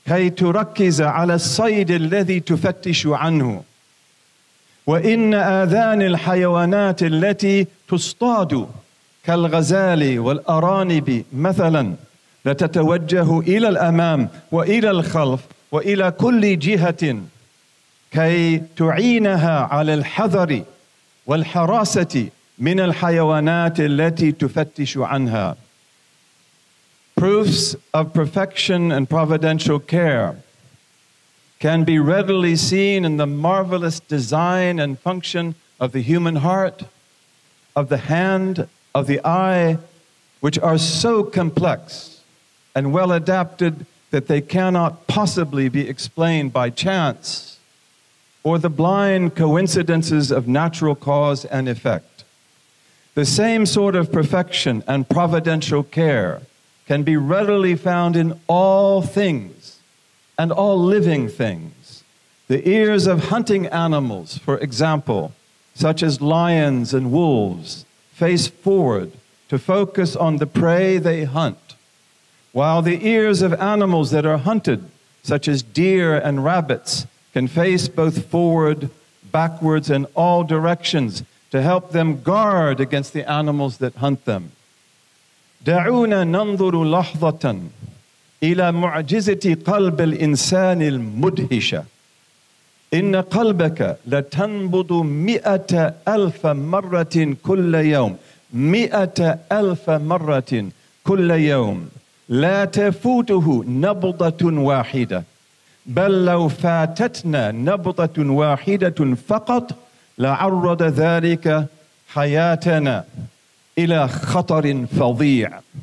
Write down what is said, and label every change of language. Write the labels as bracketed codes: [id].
[ar] تركز على الصيد الذي تفتش عنه وإن آذان الحيوانات التي تصطاد كالغزال والأرانب مثلا لتتوجه إلى الأمام وإلى الخلف وإلى كل جهة كي تعينها على الحذر والحراسة من الحيوانات التي تفتش عنها. [en] Proofs of perfection and providential care can be readily seen in the marvelous design and function of the human heart, of the hand, of the eye, which are so complex and well adapted that they cannot possibly be explained by chance or the blind coincidences of natural cause and effect. The same sort of perfection and providential care can be readily found in all things and all living things. The ears of hunting animals, for example, such as lions and wolves, face forward to focus on the prey they hunt, while the ears of animals that are hunted, such as deer and rabbits, can face both forward, backwards, and all directions to help them guard against the animals that hunt them. [ar] دعونا ننظر لحظة إلى معجزة قلب الإنسان المدهشة إن قلبك لتنبض 100,000 مرة كل يوم 100,000 مرة كل يوم لا تفوته نبضة واحدة بل لو فاتتنا نبضة واحدة فقط لعرض ذلك حياتنا إلى خطر فظيع